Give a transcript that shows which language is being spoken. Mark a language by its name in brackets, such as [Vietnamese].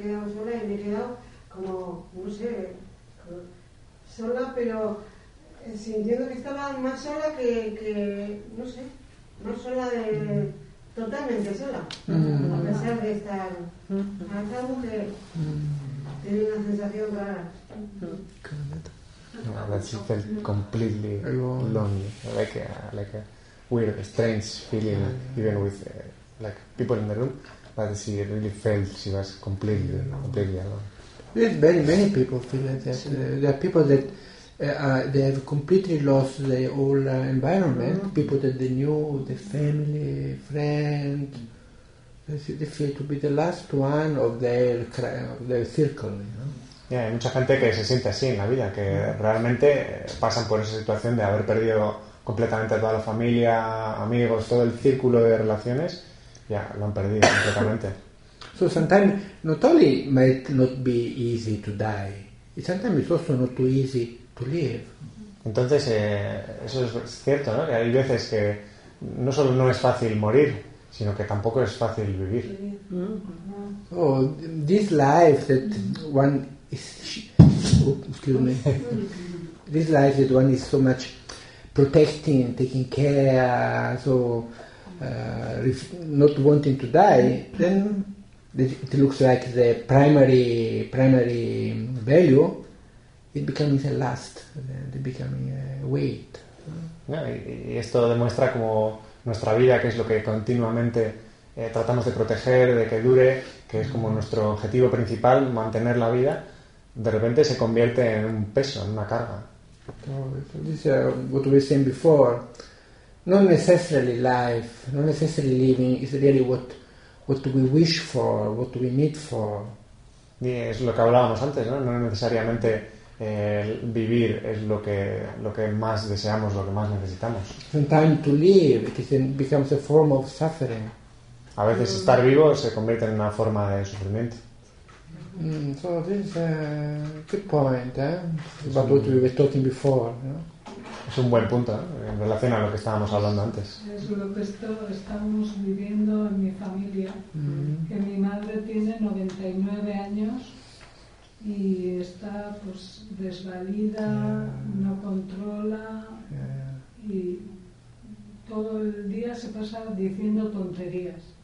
[Spanish] yo me he quedado sola y me he quedado como, no sé, sola, pero sintiendo que estaba más sola que no sé, más sola de totalmente sola, a pesar de estar a esa mujer, tiene una sensación rara. [English] No, that she felt completely lonely, like a weird, strange feeling, even with like people in the room, but she really felt she was completely alone. There's many people feel like that. There are people that they have completely lost their whole environment. Mm-hmm. People that they knew, the family, friends. They feel to be the last one of their circle. You know? [Spanish] Yeah, hay mucha gente que se siente así en la vida, que realmente pasan por esa situación de haber perdido completamente a toda la familia, amigos, todo el círculo de relaciones. Ya, yeah, lo han perdido completamente. [English] So sometimes not only might not be easy to die, sometimes it's also not too easy to live. [Spanish] Entonces, eso es cierto, ¿no? Que hay veces que no solo no es fácil morir, sino que tampoco es fácil vivir. Mm-hmm. [English] Oh, this life that one is, excuse me, this life that one is so much protecting, taking care, so not wanting to die, then it looks like the primary value, it becomes a last, it becomes a weight. [Spanish] Yeah, y esto demuestra como nuestra vida, que es lo que continuamente tratamos de proteger, de que dure, que es como nuestro objetivo principal, mantener la vida, de repente se convierte en un peso, en una carga. [English] Oh, this is what we were saying before. Not necessarily life, not necessarily living is really what do we wish for, what do we need for. [Spanish] Y es lo que hablábamos antes, ¿no? No necesariamente vivir es lo que más deseamos, lo que más necesitamos. [English] Sometimes to live, it becomes a form of suffering. [Spanish] A veces estar vivo se convierte en una forma de sufrimiento. [English] So this is a good point, about what we were talking before, you know? [Spanish] Es un buen punto, en relación a lo que estábamos hablando antes. Es lo que estamos viviendo en mi familia. Mm-hmm. Que mi madre tiene 99 años y está pues desvalida, no controla, y todo el día se pasa diciendo tonterías.